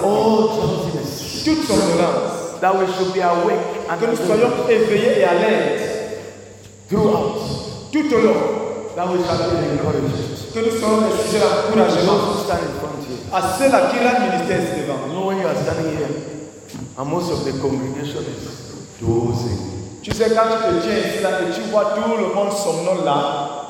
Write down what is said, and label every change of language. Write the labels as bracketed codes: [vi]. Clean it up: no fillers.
[en] Oh, Jesus. [fr] Toute somnolence. [en] That we should be awake and [fr] que nous soyons éveillés et alertes. [en] Throughout. [fr] Tout au long. [en] That we shall be encouragement. [fr] Que nous soyons des sujets d'encouragement. [en] Who stand in front of you. [fr] À ceux à qui la ministère est devant. [en] You know when you are standing here, and most of the congregation is dozing. [fr] Tu sais quand tu te tiens ici là et tu vois tout le monde somnolent là.